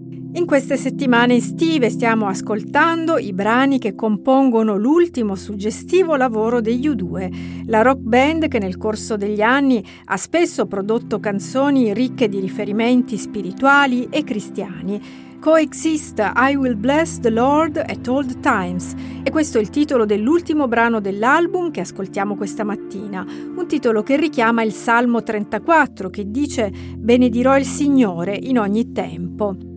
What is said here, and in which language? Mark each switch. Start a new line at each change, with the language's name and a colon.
Italian: In queste settimane estive stiamo ascoltando i brani che compongono l'ultimo suggestivo lavoro degli U2, la rock band che nel corso degli anni ha spesso prodotto canzoni ricche di riferimenti spirituali e cristiani.
English: Coexist, I Will Bless the Lord at All Times.
Italian: E questo è il titolo dell'ultimo brano dell'album che ascoltiamo questa mattina. Un titolo che richiama il Salmo 34 che dice: «Benedirò il Signore in ogni tempo».